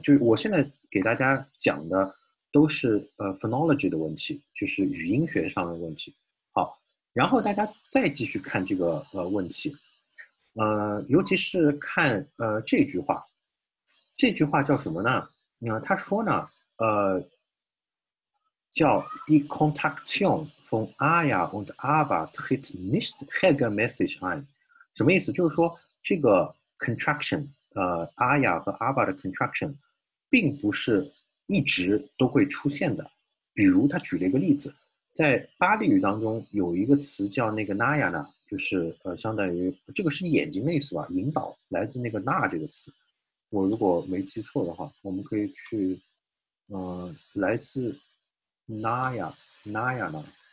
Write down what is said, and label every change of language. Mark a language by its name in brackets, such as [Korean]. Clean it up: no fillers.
[Chinese] 就是我现在给大家讲的都是phonology 的问题，就是语音学上的问题。好，然后大家再继续看这个问题，尤其是看这句话，这句话叫什么呢？他说呢，叫 [German] die Kontaktion von Aya und Ava tritt nicht regelmäßig ein， [Chinese] 什么意思？就是说这个 contraction，Aya 和 Ava 的 contraction，并不是一直都会出现的。比如他举了一个例子，在巴利语当中有一个词叫那个 Naya 呢，就是相当于这个是眼睛的意思吧，引导来自那个 na 这个词。我如果没记错的话，我们可以去，来自 Naya 呢。